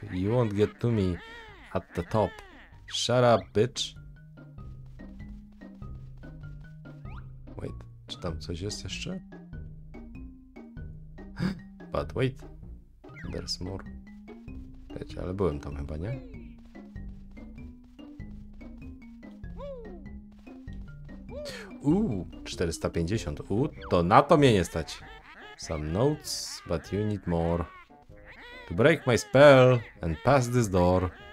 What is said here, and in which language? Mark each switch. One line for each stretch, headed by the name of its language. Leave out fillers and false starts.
English: You won't get to me at the top. Shut up, bitch. Wait,
Polish: czy tam coś jest jeszcze?
English: But wait, there's more.
Polish: Wiecie, ale byłem tam chyba, nie? Uuu, 450. Uuu, to na to mnie nie stać.
English: Some notes, but you need more. To break my spell and pass this door.